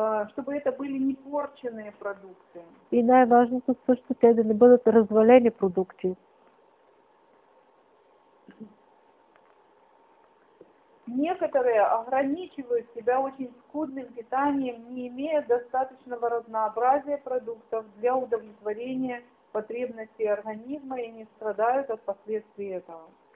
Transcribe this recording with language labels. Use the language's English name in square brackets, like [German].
[Russian] Чтобы это были не порченные продукты. [Bulgarian] И най-важното също, те да не бъдат развалени продукти. [Russian] Некоторые ограничивают себя очень скудным питанием, не имея достаточного разнообразия продуктов для удовлетворения потребности организма и не страдают от последствий этого.